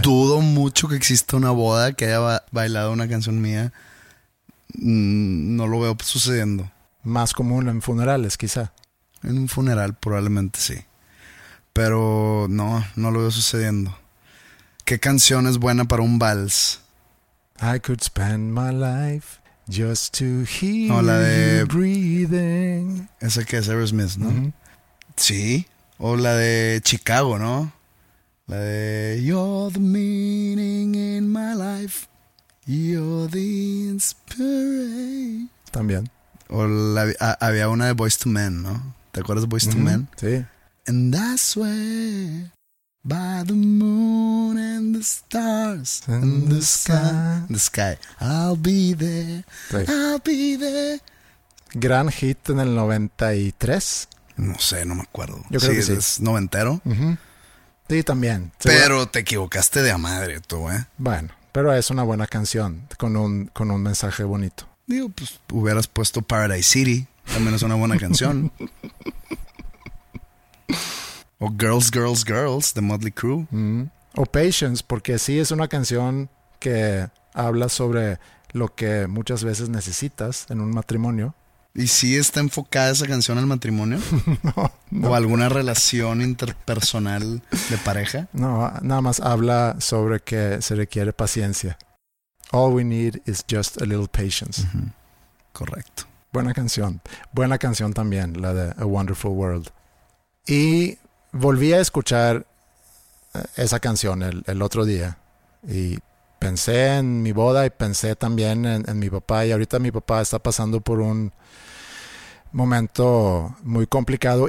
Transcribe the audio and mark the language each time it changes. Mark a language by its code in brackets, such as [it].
[es] Dudo mucho que exista una boda que haya bailado una canción mía. No lo veo sucediendo. Más común en funerales, quizá. En un funeral, probablemente sí. Pero no lo veo sucediendo. ¿Qué canción es buena para un vals? [en] I could spend my life just to hear [es] la de [en] you breathing. [es] Esa que es Aerosmith, ¿no? Mm-hmm. Sí. O la de Chicago, ¿no? [en] La de You're the meaning in my life. You're the inspiration. [es] También. O había una de Boys to Men, ¿no? ¿Te acuerdas de Boys to Men? Sí. [en] And I swear by the moon and the stars and the sky. The sky. I'll be there. Sí. I'll be there. [es] Gran hit en el 93. No sé, no me acuerdo. Yo creo que sí. ¿Es noventero? Uh-huh. Sí, también. Pero te equivocaste de a madre tú, ¿eh? Bueno, pero es una buena canción con un mensaje bonito. Digo, pues hubieras puesto Paradise City. También es una buena canción. O Girls, Girls, Girls, de Motley Crue. Mm. O Patience, porque sí es una canción que habla sobre lo que muchas veces necesitas en un matrimonio. ¿Y si está enfocada esa canción al matrimonio? No, no. ¿O alguna relación interpersonal de pareja? No, nada más habla sobre que se requiere paciencia. [en] All we need is just a little patience. [es] Uh-huh. Correcto. Buena canción. Buena canción también, la de A Wonderful World. Y volví a escuchar esa canción el otro día. Y pensé en mi boda y pensé también en mi papá. Y ahorita mi papá está pasando por un momento muy complicado.